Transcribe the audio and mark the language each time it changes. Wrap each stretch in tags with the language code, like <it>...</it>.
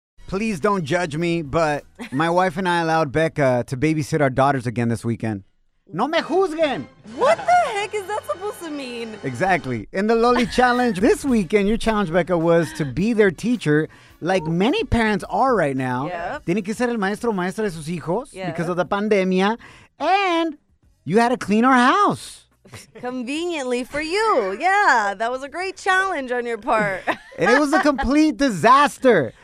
<en>Please don't judge me, but my wife and I allowed Becca to babysit our daughters again this weekend.</en> <es>No me juzguen.</es> <en>What the heck is that supposed to mean? Exactly. In the Loli Challenge this weekend, your challenge, Becca, was to be their teacher, like many parents are right now. Yeah.</en> <es>Tiene que ser el maestro o maestra de sus hijos</es> <en>because of the pandemia. And you had to clean our house. Conveniently for you. Yeah, that was a great challenge on your part. And it was a complete disaster.</en>